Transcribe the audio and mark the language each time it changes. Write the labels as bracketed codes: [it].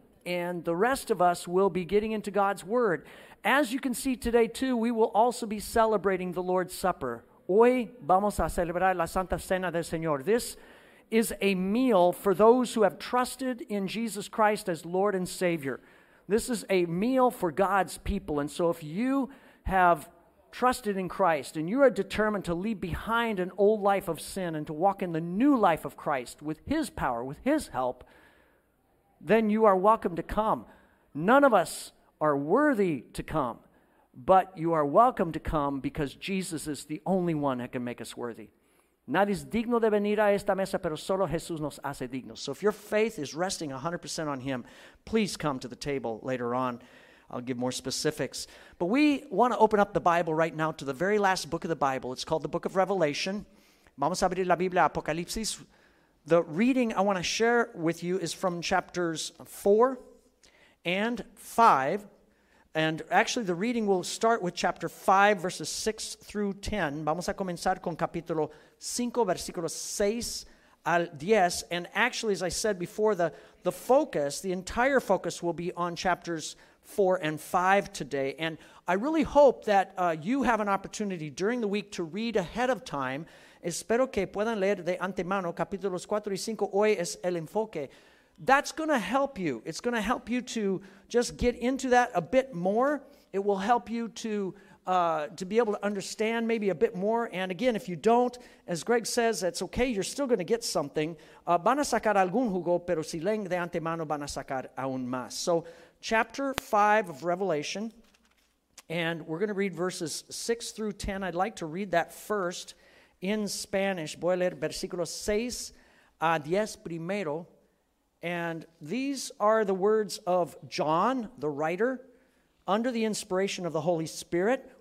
[en] and the rest of us will be getting into God's Word. As you can see today, too, we will also be celebrating the Lord's Supper. [es] Hoy vamos a celebrar la Santa Cena del Señor. [en] This is a meal for those who have trusted in Jesus Christ as Lord and Savior. This is a meal for God's people. And so if you have trusted in Christ and you are determined to leave behind an old life of sin and to walk in the new life of Christ with His power, with His help, then you are welcome to come. None of us are worthy to come, but you are welcome to come because Jesus is the only one that can make us worthy. [es] Nadie es digno de venir a esta mesa, pero solo Jesús nos hace dignos. [en] So if your faith is resting 100% on Him, please come to the table later on. I'll give more specifics. But we want to open up the Bible right now to the very last book of the Bible. It's called the book of Revelation. [es] Vamos a abrir la Biblia, Apocalipsis. [en] The reading I want to share with you is from chapters 4 and 5. And actually, the reading will start with chapter 5, verses 6 through 10. [es] Vamos a comenzar con capítulo 5, versículos 6 al 10. [en] And actually, as I said before, the focus, the entire focus will be on chapters 4 and 5 today. And I really hope that you have an opportunity during the week to read ahead of time. [es] Espero que puedan leer de antemano capítulos 4 y 5. Hoy es el enfoque. [en] That's going to help you. It's going to help you to just get into that a bit more. It will help you to be able to understand maybe a bit more. And again, if you don't, as Greg says, it's okay. You're still going to get something. [es] Van a sacar algún jugo, pero si leen de antemano, van a sacar aún más. [en] So chapter 5 of Revelation, and we're going to read verses 6 through 10. I'd like to read that first in Spanish. [es] Voy a leer versículos 6 a 10 primero. [en] And these are the words of John, the writer, under the inspiration of the Holy Spirit.